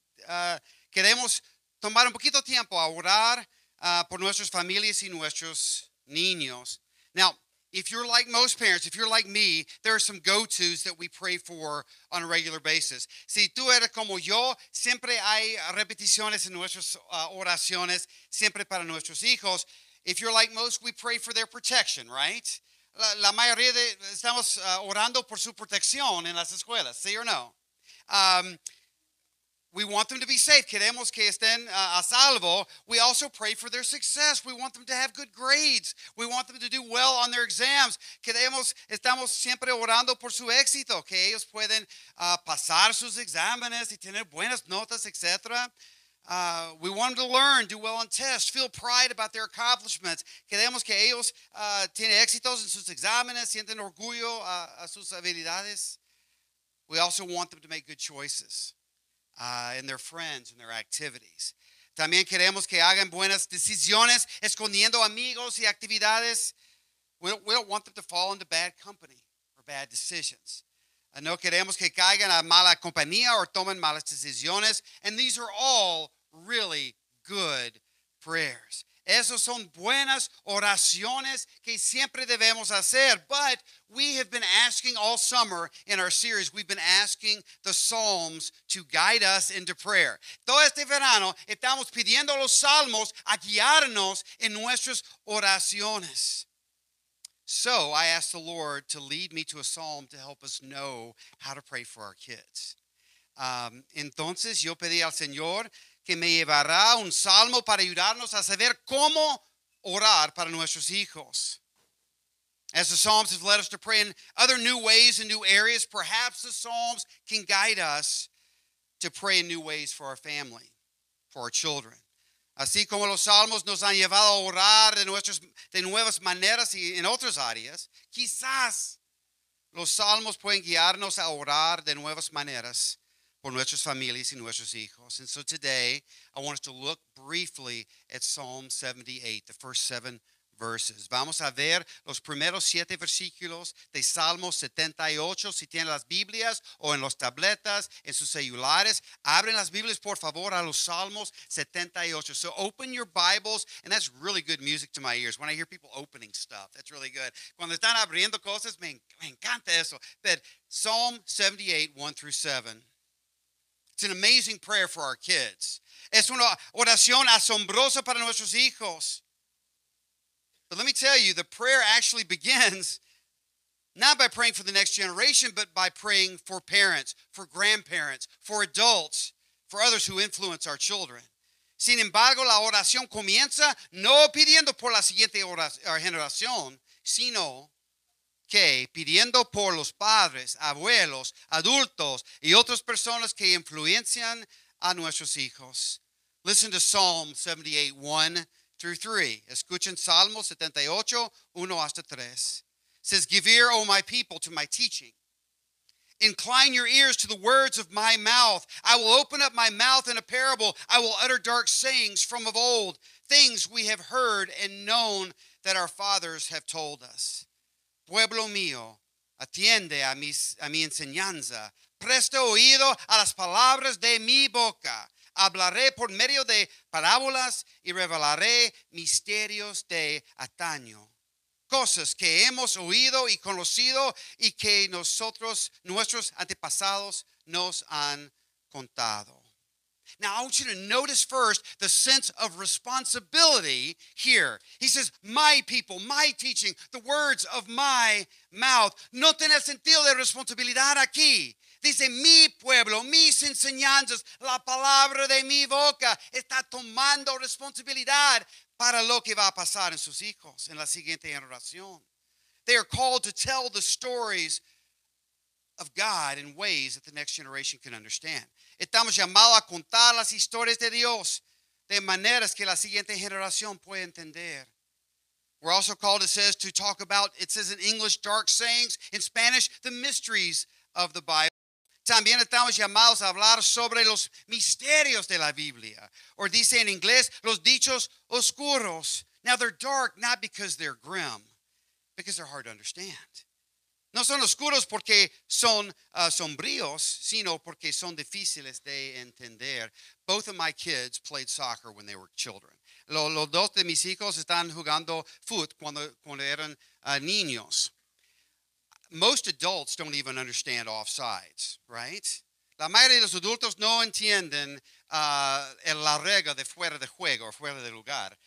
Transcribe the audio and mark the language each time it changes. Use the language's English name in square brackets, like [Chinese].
[Spanish] Queremos tomar un poquito tiempo a orar por nuestras familias y nuestros niños. [English] Now, if you're like most parents, if you're like me, there are some go-tos that we pray for on a regular basis. [Spanish] Si tú eres como yo, siempre hay repeticiones en nuestras oraciones, siempre para nuestros hijos. [English] If you're like most, we pray for their protection, right? [Spanish] La mayoría de estamos orando por su protección en las escuelas, ¿sí o no? [English] We want them to be safe. [Spanish] Queremos que estén a salvo. [English] We also pray for their success. We want them to have good grades. We want them to do well on their exams. [Spanish] Queremos, estamos siempre orando por su éxito, que ellos pueden pasar sus exámenes y tener buenas notas, etc. [English] We want them to learn, do well on tests, feel pride about their accomplishments. [Spanish] Queremos que ellos tienen éxitos en sus exámenes, sienten orgullo a sus habilidades. [English] We also want them to make good choices. And their friends and their activities. [Spanish] También queremos que hagan buenas decisiones escondiendo amigos y actividades. [English] We don't want them to fall into bad company or bad decisions. [Spanish] No queremos que caigan a mala compañía o tomen malas decisiones. [English] And these are all really good prayers. [Spanish] Esos son buenas oraciones que siempre debemos hacer. [English] But we have been asking all summer in our series, we've been asking the Psalms to guide us into prayer. [Spanish] Todo este verano estamos pidiendo los Salmos a guiarnos en nuestras oraciones. [English] So I asked the Lord to lead me to a Psalm to help us know how to pray for our kids. [Spanish] Entonces yo pedí al Señor que me llevará un salmo para ayudarnos a saber cómo orar para nuestros hijos. [English] As the Psalms have led us to pray in other new ways and new areas, perhaps the Psalms can guide us to pray in new ways for our family, for our children. [Spanish] Así como los salmos nos han llevado a orar de nuevas maneras y en otras áreas, quizás los salmos pueden guiarnos a orar de nuevas maneras por nuestras familias y nuestros hijos. [English] And so today, I want us to look briefly at Psalm 78, the first seven verses. [Spanish] Vamos a ver los primeros siete versículos de Salmo 78. Si tienen las Biblias o en las tabletas, en sus celulares, abren las Biblias, por favor, a los Salmos 78. [English] So open your Bibles, and that's really good music to my ears. When I hear people opening stuff, that's really good. [Spanish] Cuando están abriendo cosas, me encanta eso. [English] But Psalm 78, 1 through 7. It's an amazing prayer for our kids. [Spanish] Es una oración asombrosa para nuestros hijos. [English] But let me tell you, the prayer actually begins not by praying for the next generation, but by praying for parents, for grandparents, for adults, for others who influence our children. [Spanish] Sin embargo, la oración comienza no pidiendo por la siguiente generación, sino que pidiendo por los padres, abuelos, adultos, y otras personas que influencian a nuestros hijos. [English] Listen to Psalm 78, 1 through 3. [Spanish] Escuchen Salmo 78, 1 hasta 3. [English] It says, give ear, O my people, to my teaching. Incline your ears to the words of my mouth. I will open up my mouth in a parable. I will utter dark sayings from of old, things we have heard and known that our fathers have told us. [Spanish] Pueblo mío, atiende a mi enseñanza. Presta oído a las palabras de mi boca. Hablaré por medio de parábolas y revelaré misterios de antaño. Cosas que hemos oído y conocido y que nuestros antepasados nos han contado. [English] Now, I want you to notice first the sense of responsibility here. He says, my people, my teaching, the words of my mouth. [Spanish] Noten el sentido de responsabilidad aquí. Dice, mi pueblo, mis enseñanzas, la palabra de mi boca. Está tomando responsabilidad para lo que va a pasar en sus hijos en la siguiente generación. [English] They are called to tell the stories of God in ways that the next generation can understand. [Spanish] Estamos llamados a contar las historias de Dios de maneras que la siguiente generación puede entender. [English] We're also called, it says, to talk about, it says in English, dark sayings. In Spanish, the mysteries of the Bible. [Spanish] También estamos llamados a hablar sobre los misterios de la Biblia. Or dice en inglés, los dichos oscuros. [English] Now they're dark not because they're grim, because they're hard to understand. [Spanish] No son oscuros porque son sombríos, sino porque son difíciles de entender. [English] Both of my kids played soccer when they were children. [Spanish] Los dos de mis hijos están jugando fútbol cuando eran niños. [English] Most adults don't even understand offsides, right? [Spanish] La mayoría de los adultos no entienden la regla de fuera de juego, fuera de lugar.